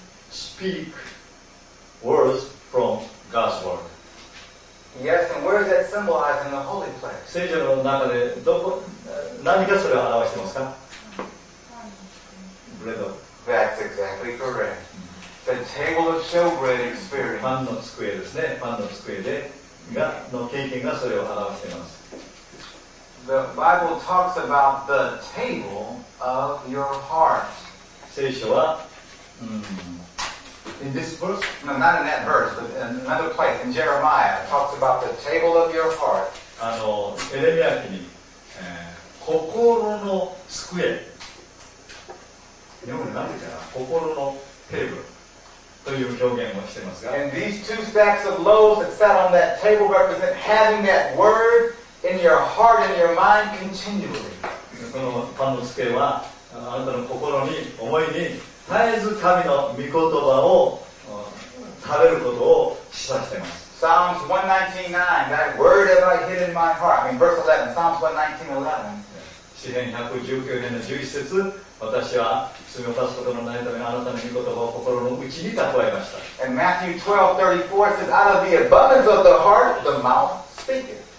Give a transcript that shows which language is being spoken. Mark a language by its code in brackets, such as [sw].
[en] Speak words from God's word. Yes, and where is that symbolized in the holy place? [ja] 聖書の中でどこ、何かそれを表してますか？ [en] Bread. That's exactly correct. The table of showbread experience. [ja] パンの机ですね。パンの机でがの経験がそれを表しています。 [en] The Bible talks about the table of your heart. [ja] 聖書は、 [en] in this verse? No, not in that verse, but in another place, in Jeremiah, talks about the table of your heart. [ja] あの、エレミア記に、心の机。日本語で何て言うかな？心のテーブル。という表現をしていますが。 [en] And these two stacks of loaves that sat on that table represent having that word in your heart and your mind continually. [ja] このパンの机は、あなたの心に、思いに、絶えず神の御言葉を食べることを示唆しています。 [en] Psalms 119:9, that word have I hid in my heart. I mean, verse 11, Psalms 119:11. [ja] 詩編119編の11節、私は罪を犯すことのないためにあなたの御言葉を心の内に蓄えました。 [en] And Matthew 12:34 says, out of the abundance of the heart, the mouth speaketh.